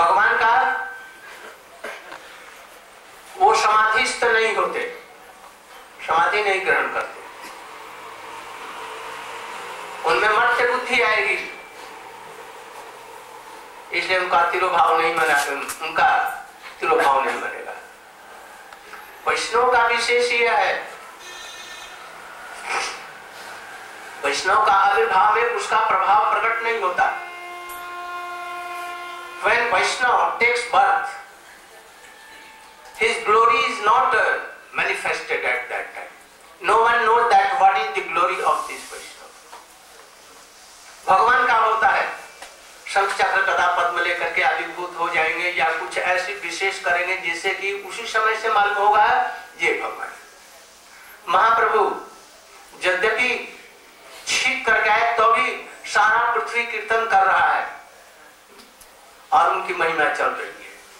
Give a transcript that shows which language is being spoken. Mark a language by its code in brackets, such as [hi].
[hi] भगवान का वो समाधिस्थ नहीं होते, समाधि नहीं ग्रहण करते, उनमें मर्त्य बुद्धि आएगी, इसलिए उनका तिरुभाव नहीं मना, उनका तिरुभाव नहीं मनेगा। वैष्णव का विशेष यह है, वैष्णव का आविर्भाव में उसका प्रभाव प्रकट नहीं होता। [en] When Vaishnava takes birth, his glory is not manifested at that time. No one knows that what is the glory of this Vaishnava. [hi] भगवान का होता है, शंख चक्र कदा पद्म लेकर के आविर्भूत हो जाएंगे या कुछ ऐसी विशेष करेंगे जिससे कि उसी समय से मालूम होगा ये भगवान। महाप्रभु यद्यपि छीक करके आए तो भी सारा पृथ्वी कीर्तन कर रहा है और उनकी महिमा चल रही है।